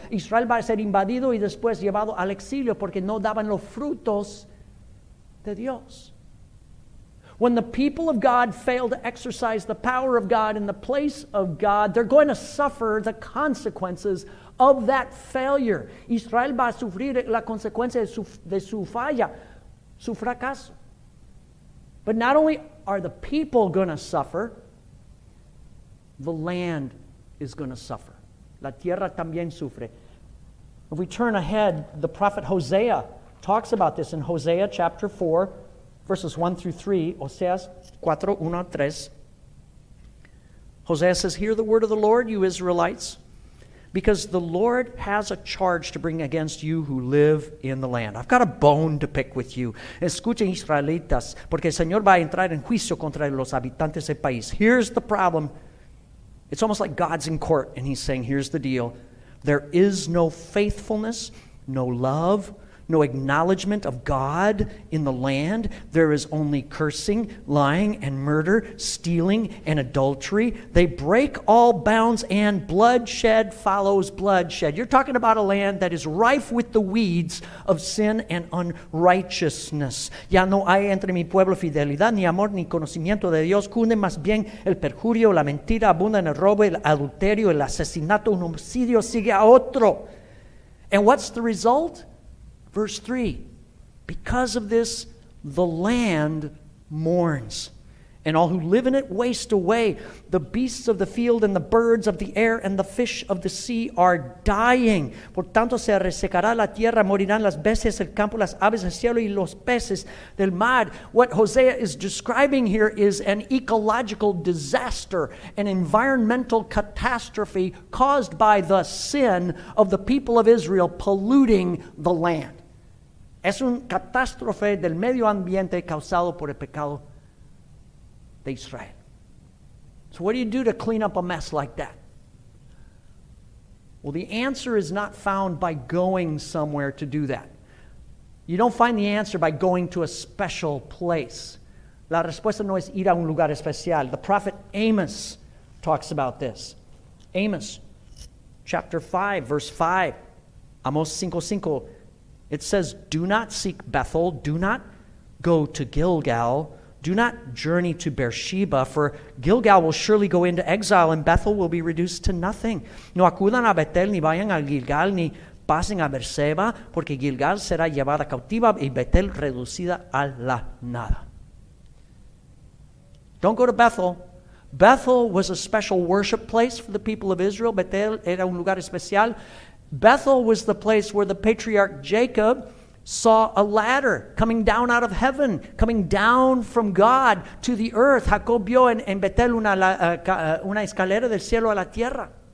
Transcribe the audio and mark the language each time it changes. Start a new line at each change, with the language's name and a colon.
Spanish: Israel va a ser invadido y después llevado al exilio porque no daban los frutos de Dios.
English: When the people of God fail to exercise the power of God in the place of God, they're going to suffer the consequences of that failure.
Spanish: Israel va a sufrir la consecuencia de su falla, su fracaso.
English: But not only are the people going to suffer, the land is going to suffer.
Spanish: La tierra también sufre.
English: If we turn ahead, the prophet Hosea talks about this in Hosea chapter 4, verses 1 through 3.
Spanish: Oseas 4, 1 a 3.
English: Hosea says, Hear the word of the Lord, you Israelites, because the Lord has a charge to bring against you who live in the land. I've got a bone to pick with you.
Spanish: Escuchen, Israelitas, porque el Señor va a entrar en juicio contra los habitantes del país.
English: Here's the problem. It's almost like God's in court, and he's saying, here's the deal. There is no faithfulness, no love, no acknowledgement of God in the land. There is only cursing, lying, and murder, stealing, and adultery. They break all bounds, and bloodshed follows bloodshed. You're talking about a land that is rife with the weeds of sin and unrighteousness.
Spanish: Ya no hay entre mi pueblo fidelidad, ni amor, ni conocimiento de Dios. Cunde más bien el perjurio, la mentira, abunda en el robo, el adulterio, el asesinato, un homicidio sigue a otro.
English: And what's the result? Verse 3, because of this, the land mourns, and all who live in it waste away. The beasts of the field and the birds of the air and the fish of the sea are dying.
Spanish: Por tanto, se resecará la tierra, morirán las bestias del campo, las aves del cielo y los peces del mar.
English: What Hosea is describing here is an ecological disaster, an environmental catastrophe caused by the sin of the people of Israel polluting the land.
Spanish: Es un catástrofe del medio ambiente causado por el pecado de Israel.
English: So what do you do to clean up a mess like that? Well, the answer is not found by going somewhere to do that. You don't find the answer by going to a special place.
Spanish: La respuesta no es ir a un lugar especial.
English: The prophet Amos talks about this. Amos chapter 5, verse 5. Amos 5:5. It says, do not seek Bethel, do not go to Gilgal, Do not journey to Beersheba, for Gilgal will surely go into exile, and Bethel will be reduced to nothing.
Spanish: No acudan a Betel, ni vayan a Gilgal, ni pasen a Beersheba, porque Gilgal será llevada cautiva y Betel reducida a la nada.
English: Don't go to Bethel. Bethel was a special worship place for the people of Israel.
Spanish: Betel era un lugar especial.
English: Bethel was the place where the patriarch Jacob saw a ladder coming down out of heaven, coming down from God to the earth.
Spanish: Jacob vio en Betel una escalera del cielo a la tierra.